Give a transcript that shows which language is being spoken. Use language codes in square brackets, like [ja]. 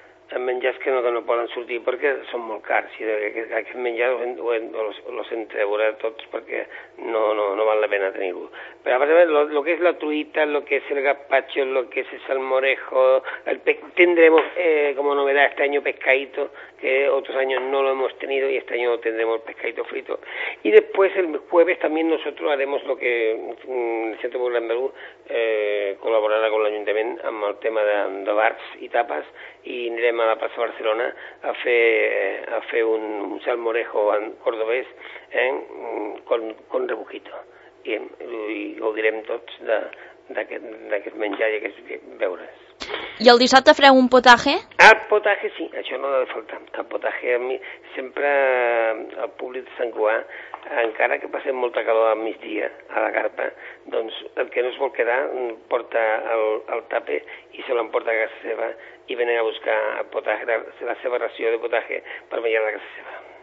[ca] en menjars que no poden sortir perquè són molt cars. I aquest menjar els entrevora tots perquè no val la pena tenir-ho. Però, a part, el que és la truita, el que és el gazpacho, el que és el salmorejo, [es] tendremos como novedad este año pescadito, que otros años no lo hemos tenido y este año tendremos pescadito frito. Y después, el jueves, también nosotros haremos lo que el Centro Popular Andaluz colaborará con el Ayuntamiento [ca] amb el tema de bars i tapes, i anirem a la plaça Barcelona a fer un salmorejo cordobès [es] con rebujito. [ca] I ho direm tots d'aquest menjar i aquests beures. I el dissabte fareu un potaje? El potaje sí, això no ha de faltar. El potaje a mi sempre al públic de Sant Cugat, encara que passem molta calor al migdia a la carpa, doncs el que no es vol quedar porta el tape i se l'emporta a casa seva i venen a buscar el potaje, la seva ració de potaje per menjar a casa seva.